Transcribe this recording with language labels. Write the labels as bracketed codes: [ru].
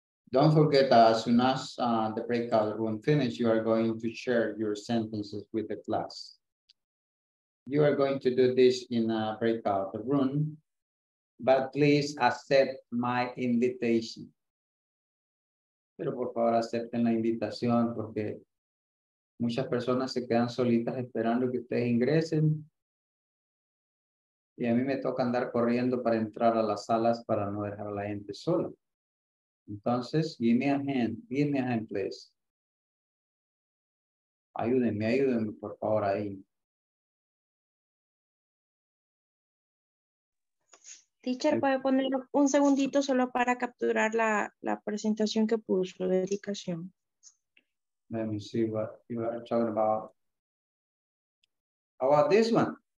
[en] Don't forget that as soon as the breakout room finishes, you are going to share your sentences with the class. You are going to do this in a breakout room, but please accept my invitation. [es] Pero por favor acepten la invitación porque muchas personas se quedan solitas esperando que ustedes ingresen. Y a mí me toca andar corriendo para entrar a las salas para no dejar a la gente sola. Entonces, [en] give me a hand, please. [es] Ayúdenme, por favor, ahí. Teacher, ¿puede poner un segundito solo para capturar la presentación que puso de dedicación? [en] Let me see what you are talking about. How about this one?